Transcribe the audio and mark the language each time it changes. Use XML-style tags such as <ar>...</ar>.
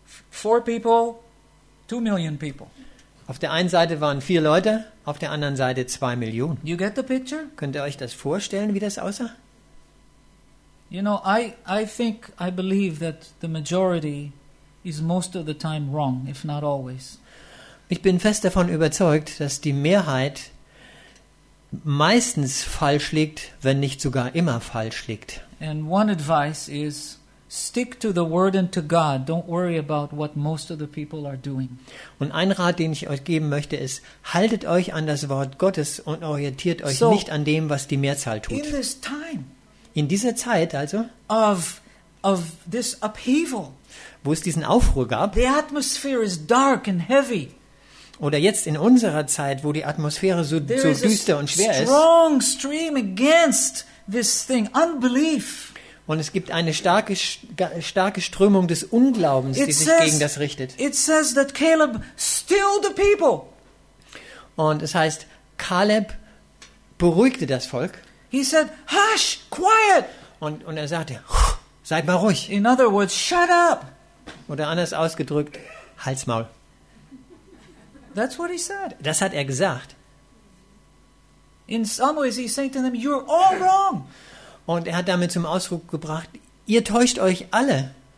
<en>4 people, 2 million people.</en> <de>Auf der einen Seite waren 4 Leute, auf der anderen Seite 2 Millionen.</de> <en>You get the picture?</en> <de>Könnt ihr euch das vorstellen, wie das aussah?</de> <en>You know, I think, I believe that the majority is most of the time wrong, if not always.</en> <de>Ich bin fest davon überzeugt, dass die Mehrheit meistens falsch liegt, wenn nicht sogar immer falsch liegt.</de> <en>And one advice is stick to the word and to God. Don't worry about what most of the people are doing.</en> <de>Und ein Rat, den ich euch geben möchte, ist, haltet euch an das Wort Gottes und orientiert euch so nicht an dem, was die Mehrzahl tut.</de> <en>In this time,</en> <de>in dieser Zeit also,</de> <en>of this upheaval,</en> <de>wo es diesen Aufruhr gab.</de> <en>The atmosphere is dark and heavy.</en> <de>Oder jetzt in unserer Zeit, wo die Atmosphäre so düster und schwer ist.</de> <en>There is a strong stream against this thing, unbelief.</en> <de>Und es gibt eine starke Strömung des Unglaubens, die sich gegen das richtet.</de> <en>It says that Caleb stilled the people.</en> <de>Und es heißt, Caleb beruhigte das Volk.</de> <en>He said, hush, quiet.</en> <de>Und er sagte, seid mal ruhig.</de> <en>In other words, shut up.</en> <de>Oder anders ausgedrückt, halt's Maul.</de> <en>That's what he said.</en> <de>Das hat er gesagt.</de> <en>In some ways he's saying to them, you're all wrong.</en> <de>Und er hat damit zum Ausdruck gebracht, ihr täuscht euch alle.</de>